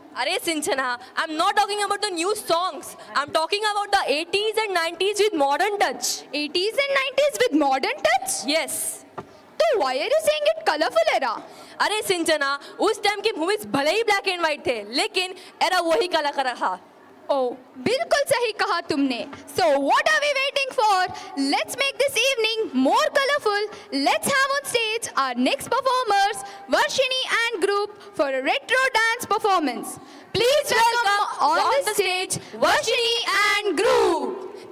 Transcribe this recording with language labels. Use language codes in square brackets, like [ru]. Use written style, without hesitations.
[en] अरे Sinchana, I am not talking about the new songs, I am talking about the 80s and 90s with modern touch. 80s and 90s with modern touch? Yes. तो why are you saying it colourful era? [hi] अरे सिंचना, उस time के movies भले ही black and white थे, लेकिन era वही colour का रहा. Oh, बिल्कुल सही कहा तुमने. [en] So what are we waiting for? Let's make this evening more colorful. Let's have on stage our next performers, Varshini and group, for a retro dance performance. Please welcome on the stage Varshini and group.